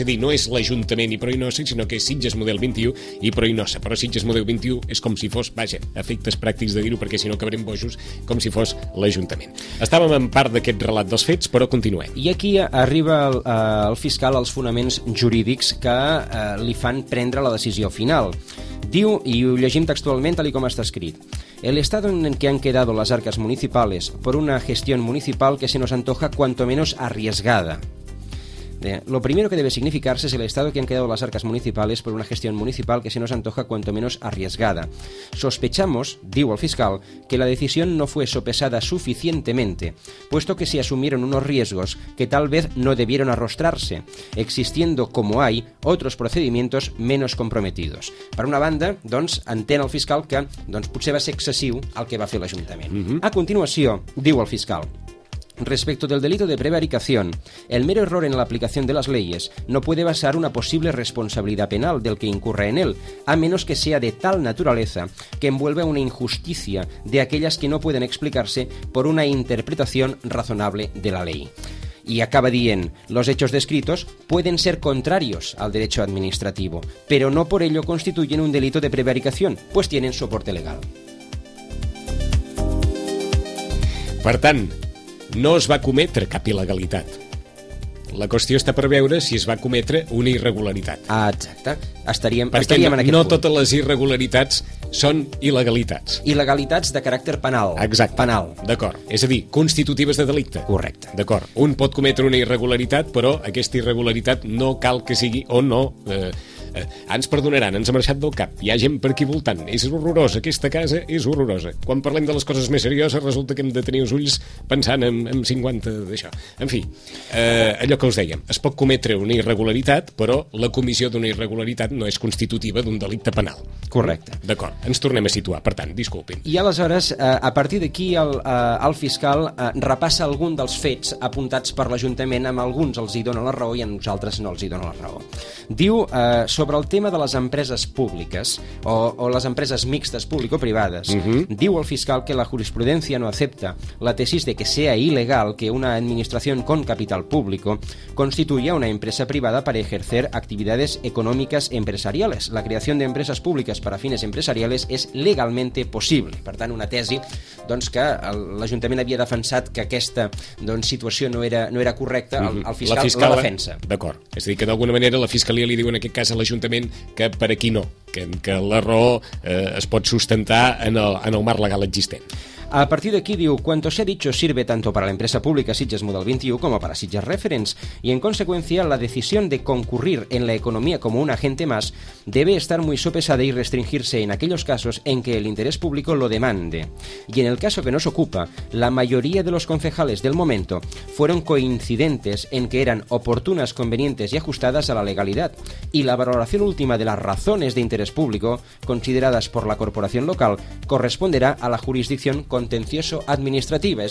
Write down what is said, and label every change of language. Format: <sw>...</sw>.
<ca>És a dir, no és l'Ajuntament i Proinossa, sinó que és Sitges Model 21 i Proinossa. Però Sitges Model 21 és com si fos, vaja, efectes pràctics de dir-ho perquè si no acabarem bojos, com si fos l'Ajuntament. Estàvem en part d'aquest relat dels fets, però continuem. I aquí arriba el fiscal als fonaments jurídics que li fan prendre la decisió final. Diu, i ho llegim textualment tal com està escrit:</ca> <es>el estado en que han quedado las arcas municipales por una gestión municipal que se nos antoja cuanto menos arriesgada. Lo primero que debe significarse es el estado que han quedado las arcas municipales por una gestión municipal que se nos antoja cuanto menos arriesgada. Sospechamos, digo al fiscal, que la decisión no fue sopesada suficientemente, puesto que se asumieron unos riesgos que tal vez no debieron arrostrarse, existiendo, como hay, otros procedimientos menos comprometidos.</es> <ca>Per una banda, doncs, entén el fiscal que, doncs, potser va ser excessiu el que va fer l'Ajuntament. A continuació, diu el fiscal:</ca> <es>respecto del delito de prevaricación, el mero error en la aplicación de las leyes no puede basar una posible responsabilidad penal del que incurre en él, a menos que sea de tal naturaleza que envuelva una injusticia de aquellas que no pueden explicarse por una interpretación razonable de la ley. Y</es> <ca>acaba dient:</ca> <es>los hechos descritos pueden ser contrarios al derecho administrativo, pero no por ello constituyen un delito de prevaricación, pues tienen soporte legal.</es> <ca>Per tant, no es va cometre cap il·legalitat. La qüestió està per veure si es va cometre una irregularitat. Ah, exacte. Estaríem en aquest no punt. No totes les irregularitats són il·legalitats. Il·legalitats de caràcter penal. Exacte. Penal. D'acord. És a dir, constitutives de delicte. Correcte. D'acord. Un pot cometre una irregularitat, però aquesta irregularitat no cal que sigui o no... ens perdonaran, ens ha marxat del cap, hi ha gent per aquí voltant, és horrorosa, aquesta casa és horrorosa. Quan parlem de les coses més serioses resulta que hem de tenir els ulls pensant en 50 d'això. En fi, allò que us dèiem, es pot cometre una irregularitat, però la comissió d'una irregularitat no és constitutiva d'un delicte penal. Correcte. D'acord, ens tornem a situar, per tant, disculpin. I aleshores, a partir d'aquí, el fiscal repassa algun dels fets apuntats per l'Ajuntament, amb alguns els hi dona la raó i a nosaltres no els hi dona la raó. Diu... sobre el tema de les empreses públiques o les empreses mixtes público-privades, diu el fiscal que</ca> <es>la jurisprudencia no acepta la tesis de que sea ilegal que una administración con capital público constituya una empresa privada para ejercer actividades económicas empresariales. La creación de empresas públicas para fines empresariales es legalmente posible.</es> <ca>Per tant, una tesi, doncs, que l'Ajuntament havia defensat que aquesta, doncs, situació no era correcta, el fiscal la defensa. D'acord. És a dir, que d'alguna manera la fiscalia li diu en aquest cas a l'Ajuntament que per aquí no, que la raó es pot sustentar en el marc legal existent. A partir d'aquí diu:</ca> <es>cuanto se ha dicho sirve tanto para la empresa pública Sitges Model 21 como para Sitges Reference, y en consecuencia la decisión de concurrir en la economía como un agente más debe estar muy sopesada y restringirse en aquellos casos en que el interés público lo demande. Y en el caso que nos ocupa, la mayoría de los concejales del momento fueron coincidentes en que eran oportunas, convenientes y ajustadas a la legalidad, y la valoración última de las razones de interés público consideradas por la corporación local corresponderá a la jurisdicción contencioso-administrativa.</es>